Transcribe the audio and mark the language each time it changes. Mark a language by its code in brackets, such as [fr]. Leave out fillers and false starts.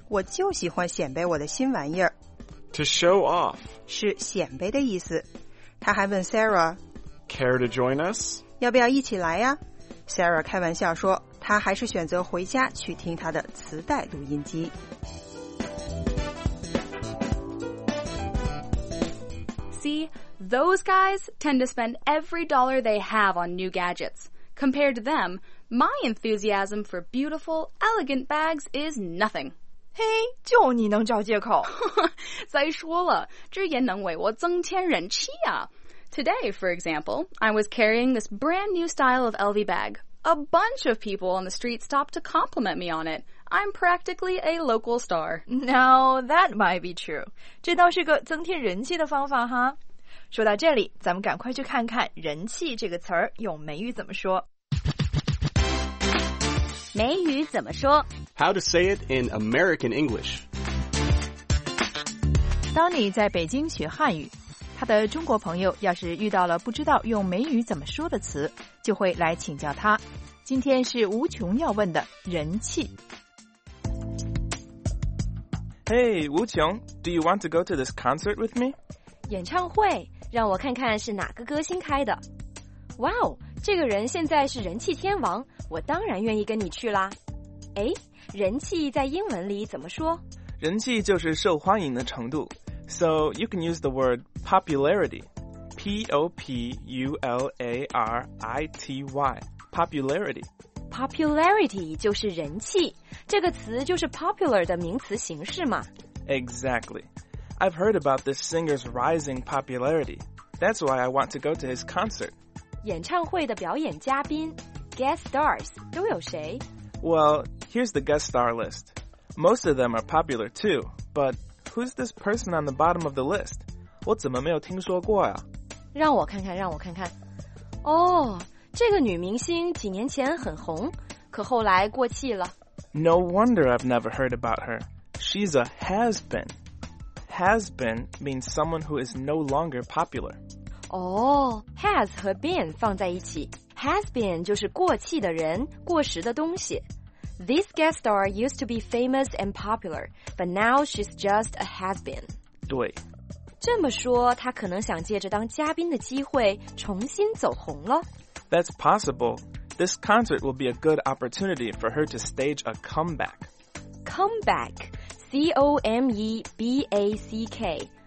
[zh] 我就喜欢显摆我的新玩意儿。 [en] To show off. [zh] 是显摆的意思。他还问 Sarah, [en] Care to join us? [zh] 要不要一起来呀 ?Sarah 开玩笑说他还是选择回家去听他的磁带录音机。 [en] See, those guys tend to spend every dollar they have on new gadgets. Compared to them, my enthusiasm for beautiful, elegant bags is nothing. [zh] 嘿，就你能找借口。再说了，这也能为我增添人气啊。 [en] Today, for example, I was carrying this brand new style of LV bag. A bunch of people on the street stopped to compliment me on it. I'm practically a local star. Now, that might be true. [zh] 这倒是个增添人气的方法哈。说到这里，咱们赶快去看看人气这个词儿用美语怎么说。美语怎么说 [en] ?How to say it in American English. [zh] 当你在北京学汉语，他的中国朋友要是遇到了不知道用美语怎么说的词，就会来请教他。今天是无穷要问的人气。 [en] Hey, 无穷 ,do you want to go to this concert with me? [zh] 演唱会，让我看看是哪个歌星开的。哇哦，这个人现在是人气天王，我当然愿意跟你去啦。诶，人气在英文里怎么说？人气就是受欢迎的程度。 [en] So you can use the word popularity. P-O-P-U-L-A-R-I-T-Y. Popularity. [zh] Popularity 就是人气，这个词就是 popular 的名词形式嘛。 [en] Exactly. I've heard about this singer's rising popularity. That's why I want to go to his concert. [zh] 演唱会的表演嘉宾 ,guest stars, 都有谁？ [en] Well, here's the guest star list. Most of them are popular too, but... Who's this person on the bottom of the list? [zh] 我怎么没有听说过呀、啊、让我看看让我看看。哦、oh, 这个女明星几年前很红可后来过气了。 [en] No wonder I've never heard about her. She's a has-been. Has-been means someone who is no longer popular. [zh] 哦、oh, has 和 been 放在一起。Has-been 就是过气的人过时的东西。 [en] This guest star used to be famous and popular, but now she's just a has-been. [zh] 对。这么说，她可能想借着当嘉宾的机会重新走红了。 [en] That's possible. This concert will be a good opportunity for her to stage a comeback. Comeback, C-O-M-E-B-A-C-K.